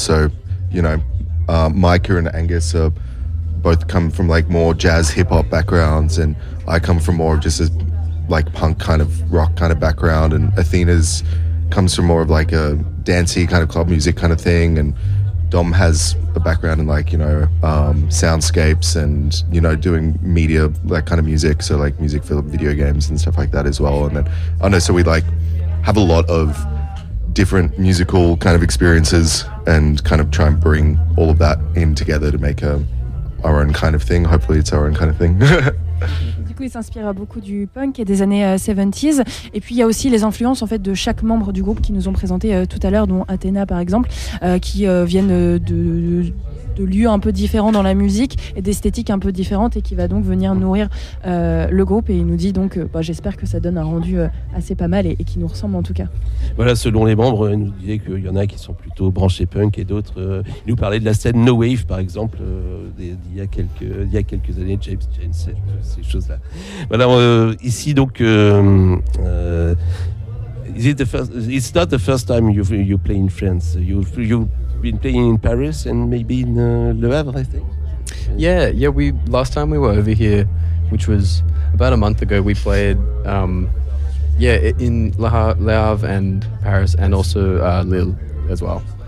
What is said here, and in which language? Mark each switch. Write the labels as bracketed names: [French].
[English] So, you know, Micah and Angus are both come from like more jazz hip hop backgrounds, and I come from more of just a like punk kind of rock kind of background, and Athena's comes from more of like a dancey kind of club music kind of thing, and Dom has a background in like, you know, soundscapes and, you know, doing media, that kind of music, so like music for video games and stuff like that as well. And then, I don't know, so we like have a lot of different musical kind of experiences and kind of try and bring all of that in together to make our own kind of thing. Hopefully it's our own kind of thing. [French] Du coup, il s'inspire beaucoup du punk et des années 70s. Et puis, il y a aussi les influences en fait, de chaque membre du groupe qui nous ont présenté tout à l'heure, dont Athéna, par exemple, qui viennent de lieux un peu différents dans la musique et d'esthétiques un peu différentes et qui va donc venir nourrir le groupe. Et il nous dit donc, j'espère que ça donne un rendu assez pas mal et qui nous ressemble en tout cas. Voilà, selon les membres, il nous disait qu'il y en a qui sont plutôt branchés punk et d'autres. Il nous parlait de la scène No Wave, par exemple, d'il y a quelques années, James Jensen, ces choses-là. Voilà, ici donc... [English] it's not the first time you play in France. You been playing in Paris and maybe in Le Havre, I think. Yeah. We last time we were over here, which was about a month ago, we played in Le Havre and Paris and also Lille as well.